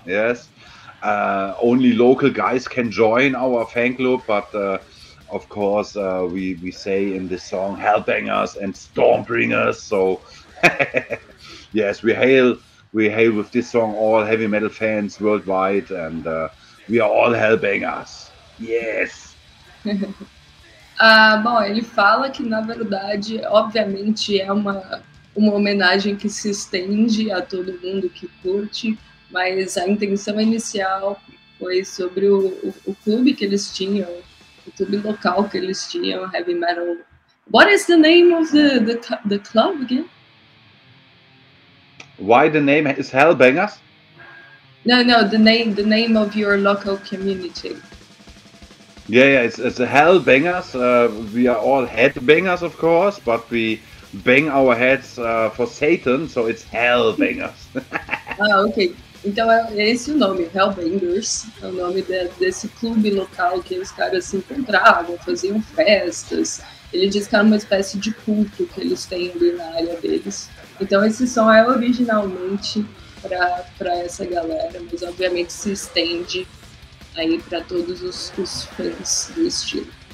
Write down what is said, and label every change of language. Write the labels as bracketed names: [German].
[English] Yes, only local guys can join our fan club. But of course, we say in this song Hellbangers and Stormbringers. So. Yes, we hail with this song all heavy metal fans worldwide, and we are all hellbangers. Yes! [Portuguese] bom, ele fala que, na verdade, obviamente é uma homenagem que se estende a todo mundo que curte, mas a intenção inicial foi sobre o clube que eles tinham, o clube local que eles tinham, heavy metal. [English] What is the name of the club again? Why the name is Hellbangers? No, the name of your local community. Yeah, it's a Hellbangers. We are all headbangers, of course, but we bang our heads for Satan, so it's Hellbangers. [Portuguese] Ah, okay. Então é esse o nome, Hellbangers. É o nome desse clube local que os caras se encontravam, faziam festas. Ele diz que era uma espécie de culto que eles têm ali na área deles. Então esse som é originalmente para essa galera, mas obviamente se estende aí para todos os fãs do estilo.